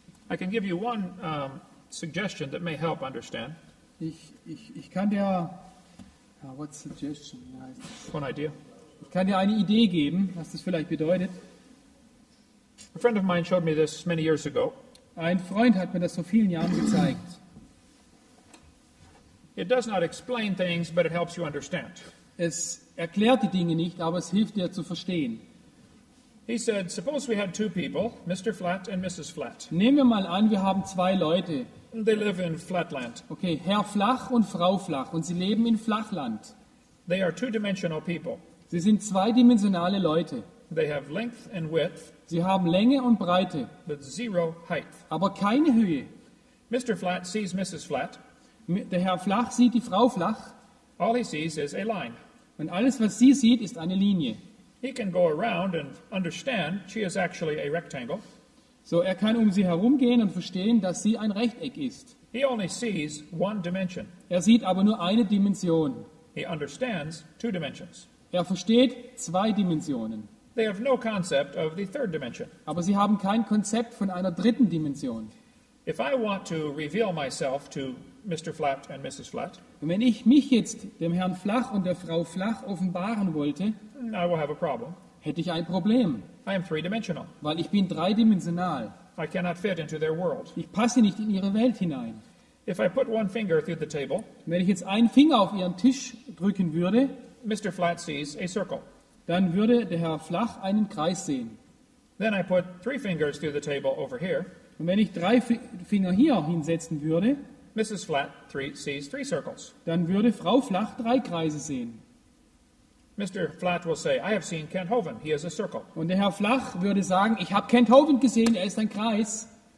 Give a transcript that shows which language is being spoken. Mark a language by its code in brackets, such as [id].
[en] I can give you one suggestion that may help understand. [de] Ich kann dir [en] what suggestion? One idea. [de] Ich kann dir eine Idee geben, was das vielleicht bedeutet. [en] A friend of mine showed me this many years ago. [de] Ein Freund hat mir das vor vielen Jahren gezeigt. [en] It does not explain things, but it helps you understand. [de] Es erklärt die Dinge nicht, aber es hilft dir zu verstehen. [en] He said, suppose we had two people, Mr. Flat and Mrs. Flat. [de] Nehmen wir mal an, wir haben zwei Leute. [en] They live in Flatland. [de] Okay, Herr Flach und Frau Flach und sie leben in Flachland. [en] They are two-dimensional people. [de] Sie sind zweidimensionale Leute. [en] They have length and width. [de] Sie haben Länge und Breite. [en] But zero height. [de] Aber keine Höhe. [en] Mr. Flat sees Mrs. Flat. [de] Der Herr Flach sieht die Frau Flach. [en] All he sees is a line. [de] Und alles, was sie sieht, ist eine Linie. [en] He can go around and understand she is actually a rectangle. [de] So kann um sie herumgehen und verstehen, dass sie ein Rechteck ist. [en] He only sees one dimension. [de] Sieht aber nur eine Dimension. [en] He understands two dimensions. [de] Versteht zwei Dimensionen. [en] They have no concept of the third dimension. [de] Aber sie haben kein Konzept von einer dritten Dimension. [en] If I want to reveal myself to Mr. Flat and Mrs. Flat, [de] und wenn ich mich jetzt dem Herrn Flach und der Frau Flach offenbaren wollte, [en] I will have a problem. [de] Hätte ich ein Problem. [en] I am three-dimensional. [de] Weil ich bin dreidimensional. [en] I cannot fit into their world. [de] Ich passe nicht in ihre Welt hinein. [en] If I put one finger through the table, [de] wenn ich jetzt einen Finger auf ihren Tisch drücken würde, [en] Mr. Flat sees a circle. [de] Dann würde der Herr Flach einen Kreis sehen. [en] Then I put three fingers through the table over here. [de] Und wenn ich drei Finger hier hinsetzen würde, [en] Mrs. Flat sees three circles. [de] Dann würde Frau Flach drei Kreise sehen. [en] Mr. Flat will say, I have seen Kent Hovind. He is a circle. [de] Und der Herr Flach würde sagen, ich habe Kent Hovind gesehen, er ist ein Kreis.